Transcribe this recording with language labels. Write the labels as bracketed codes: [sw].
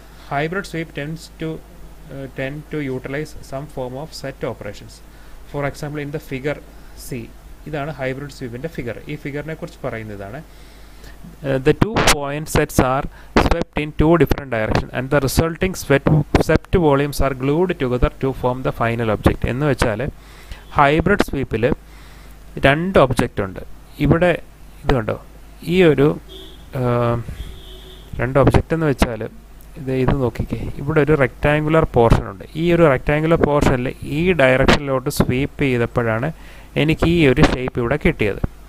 [en] hybrid sweep tend to utilize some form of set operations for example in the figure C [ml] ഇതാണ് hybrid സ്വീപ്പിൻ്റെ figure ഈ ഫിഗറിനെ കുറിച്ച് പറയുന്നതാണ് [en] the two point sets are swept in two different directions and the resulting swept volumes are glued together to form the final object. [ml] എന്ന് വെച്ചാൽ hybrid സ്വീപ്പിൽ രണ്ട് object ഉണ്ട്. ഇവിടെ ഇത് കണ്ടോ, ഈ ഒരു രണ്ട് ഒബ്ജക്റ്റ് എന്ന് വെച്ചാൽ ഇത് ഇത് നോക്കിക്കേ, ഇവിടെ ഒരു റെക്റ്റാങ്കുലർ പോർഷൻ ഉണ്ട്. ഈ ഒരു റെക്റ്റാങ്കുലർ പോർഷനിൽ ഈ ഡയറക്ഷനിലോട്ട് സ്വീപ്പ് ചെയ്തപ്പോഴാണ് എനിക്ക് ഈ ഒരു ഷേപ്പ് ഇവിടെ കിട്ടിയത്.